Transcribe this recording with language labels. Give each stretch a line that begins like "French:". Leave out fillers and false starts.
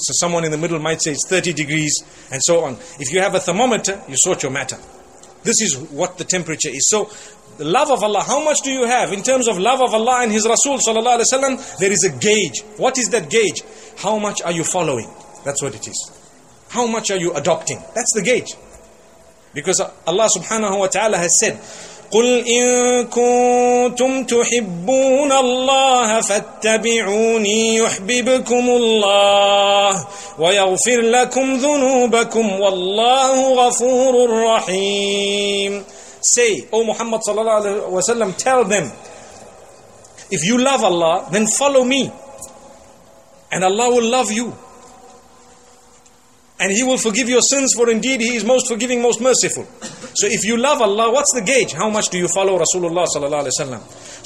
English: So someone in the middle might say it's 30 degrees and so on. If you have a thermometer, you sort your matter. This is what the temperature is. So the love of Allah, how much do you have in terms of love of Allah and His Rasul sallallahu alaihi wasallam? There is a gauge. What is that gauge? How much are you following? That's what it is. How much are you adopting? That's the gauge. Because Allah subhanahu wa ta'ala has said,
Arabic: قُلْ إِن كُنتُمْ تُحِبُّونَ اللَّهَ فَاتَّبِعُونِي يُحْبِبْكُمُ اللَّهُ وَيَغْفِرْ لَكُمْ ذُنُوبَكُمْ وَاللَّهُ غَفُورٌ رَّحِيمٌ.
English: Say, O Muhammad sallallahu alaihi wasallam, tell them, if you love Allah, then follow me, and Allah will love you, and He will forgive your sins, for indeed He is most forgiving, most merciful. So if you love Allah, what's the gauge? How much do you follow Rasulullah sallallahu alaihi wasallam?